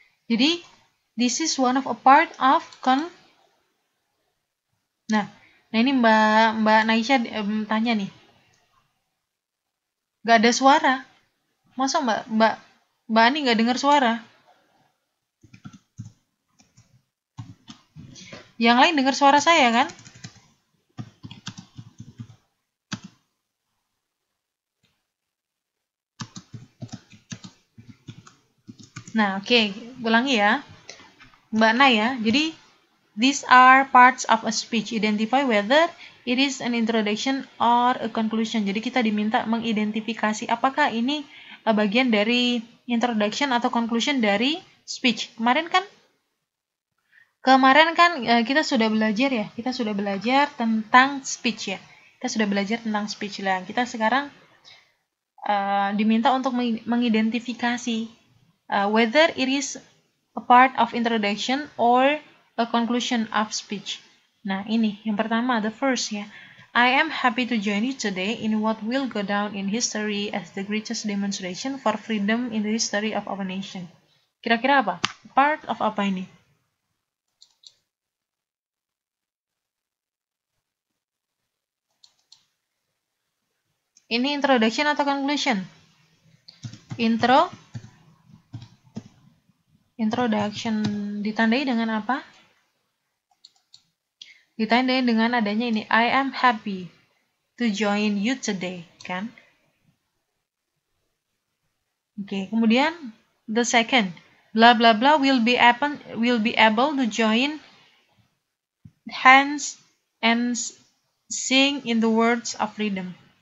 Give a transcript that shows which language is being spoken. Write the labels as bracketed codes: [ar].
[en] Jadi, this is one of a part of con. [id] Nah, ini Mbak Naisha tanya nih. Gak ada suara. Masa Mbak Ani gak dengar suara? Yang lain dengar suara saya kan? Nah, oke, ulangi ya. [en] Mbak Naya, jadi these are parts of a speech. Identify whether it is an introduction or a conclusion. [id] Jadi kita diminta mengidentifikasi apakah ini bagian dari introduction atau conclusion dari speech. Kemarin kan kita sudah belajar ya. Kita sudah belajar tentang speech ya. Kita sudah belajar tentang speech lah. Kita sekarang diminta untuk mengidentifikasi whether it is a part of introduction or a conclusion of speech. Nah, ini yang pertama, the first ya. [en] I am happy to join you today in what will go down in history as the greatest demonstration for freedom in the history of our nation. [id] Kira-kira apa? Part of apa ini? Ini introduction atau conclusion? Intro. Introduction ditandai dengan apa? Ditandai dengan adanya ini. [en] I am happy to join you today, kan? Oke, kemudian the second. Blah blah blah will be able to join hands and sing in the words of freedom.